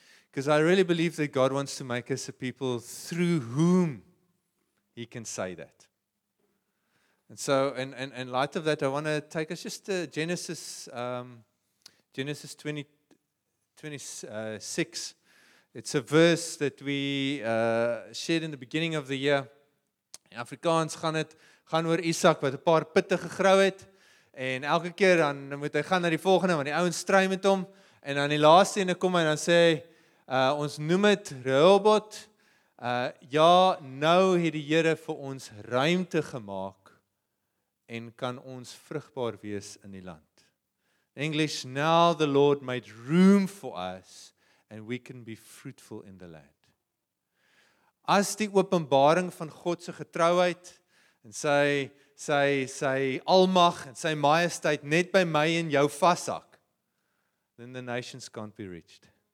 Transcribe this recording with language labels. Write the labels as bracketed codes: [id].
[en] Because I really believe that God wants to make us a people through whom he can say that. And so, in light of that, I want to take us just to Genesis 22. 26, it's a verse that we shared in the beginning of the year. [af] In Afrikaans gaan oor Isaac wat 'n paar pitte gegrou het, en elke keer dan moet hy gaan na die volgende, want die ouens stry met hom, en dan die laaste ene kom en dan sê, ons noem het Rehobot, nou het die Here vir ons ruimte gemaak, en kan ons vrugbaar wees in die land. [en] English, now the Lord made room for us and we can be fruitful in the land. [af] As die openbaring van God se getrouheid en sy almag en sy majesteit net by my en jou vashak, [en] then the nations can't be reached.